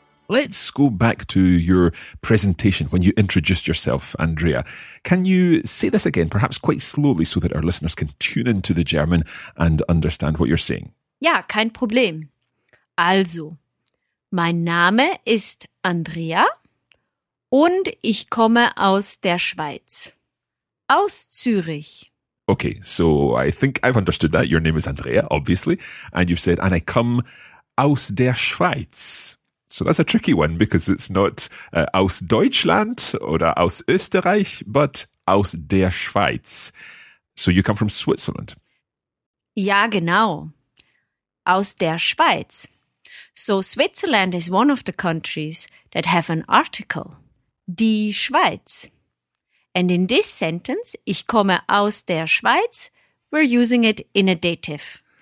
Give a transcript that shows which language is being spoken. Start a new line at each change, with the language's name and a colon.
English: Let's go back to your presentation when you introduced yourself, Andrea. Can you say this again, perhaps quite slowly, so that our listeners can tune into the German and understand what you're saying?
German: Ja, kein Problem. Also, mein Name ist Andrea und ich komme aus der Schweiz, aus Zürich.
English: Okay, so I think I've understood that. Your name is Andrea, obviously, and you've said, and I come
German: aus der Schweiz.
English: So that's a tricky one because it's not
German: aus Deutschland oder aus Österreich,
English: but
German: aus der Schweiz.
English: So you come from Switzerland.
German: Ja, genau. Aus der Schweiz.
English: So Switzerland is one of the countries that have an article,
German: die Schweiz.
English: And in this sentence,
German: ich komme aus der Schweiz,
English: we're using it in a dative.